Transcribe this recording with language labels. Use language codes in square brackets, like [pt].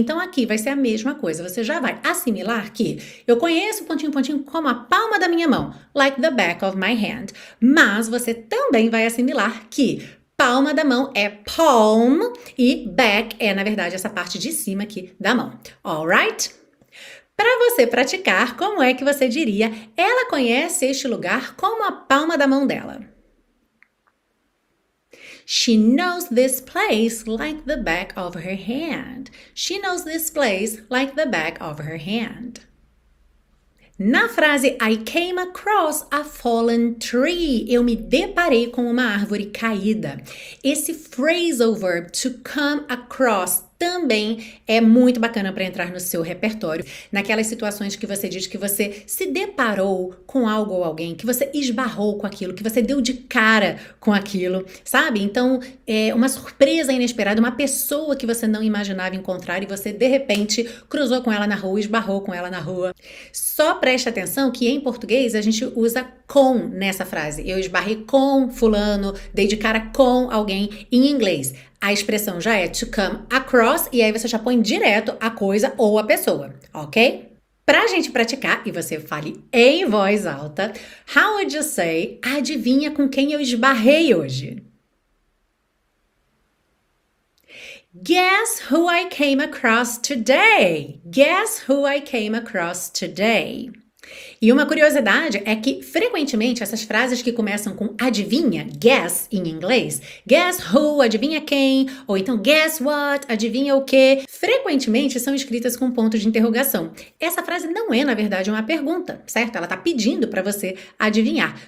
[pt] Então aqui vai ser a mesma coisa. Você já vai assimilar que eu conheço pontinho pontinho como a palma da minha mão, [en] like the back of my hand, [pt] mas você também vai assimilar que palma da mão é palm e back é, na verdade, essa parte de cima aqui da mão. [en] Alright? [pt] Para você praticar, como é que você diria? Ela conhece este lugar como a palma da mão dela. [en] She knows this place like the back of her hand. She knows this place like the back of her hand. [pt] Na frase [en] I came across a fallen tree, [pt] eu me deparei com uma árvore caída. Esse phrasal verb to come across também é muito bacana para entrar no seu repertório, naquelas situações que você diz que você se deparou com algo ou alguém, que você esbarrou com aquilo, que você deu de cara com aquilo, sabe? Então, é uma surpresa inesperada, uma pessoa que você não imaginava encontrar e você, de repente, cruzou com ela na rua, esbarrou com ela na rua. Só preste atenção que em português a gente usa com nessa frase. Eu esbarrei com fulano, dei de cara com alguém em inglês. A expressão já é to come across e aí você já põe direto a coisa ou a pessoa, ok? Para a gente praticar e você fale em voz alta, [en] how would you say, [pt] adivinha com quem eu esbarrei hoje? [en] Guess who I came across today? Guess who I came across today? [pt] E uma curiosidade é que frequentemente essas frases que começam com adivinha, guess em inglês, guess who, adivinha quem, ou então guess what, adivinha o quê, frequentemente são escritas com ponto de interrogação. Essa frase não é, na verdade, uma pergunta, certo? Ela está pedindo para você adivinhar.